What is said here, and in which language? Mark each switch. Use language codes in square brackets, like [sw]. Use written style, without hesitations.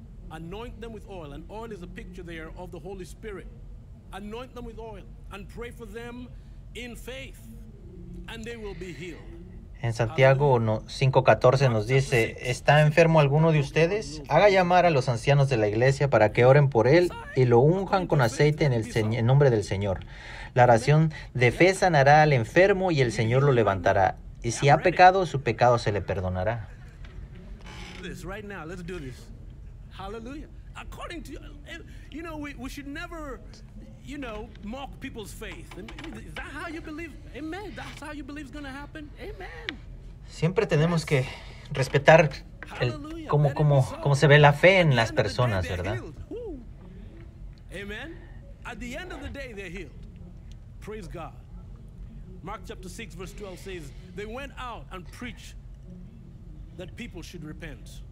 [en] Anoint them with oil, and oil is a picture there of the Holy Spirit. Anoint them with oil and pray for them in faith, and they will be healed. [es] En Santiago 5:14 nos dice, ¿está enfermo alguno de ustedes? Haga llamar a los ancianos de la iglesia para que oren por él y lo unjan con aceite en nombre del Señor. La oración de fe sanará al enfermo y el Señor lo levantará. Y si ha pecado, su pecado se le perdonará. [en] This right now, let's do this. Hallelujah. According to you know, we should never, you know, mock people's faith. Is that how you believe? Amen. That's how you believe is going to happen. Amen. [es] Siempre tenemos que respetar cómo se ve la fe en las personas, ¿verdad? Amen. [en] At the end of the day, they're healed. Praise God. Mark chapter 6 verse 12 says, they went out and preached that people should repent.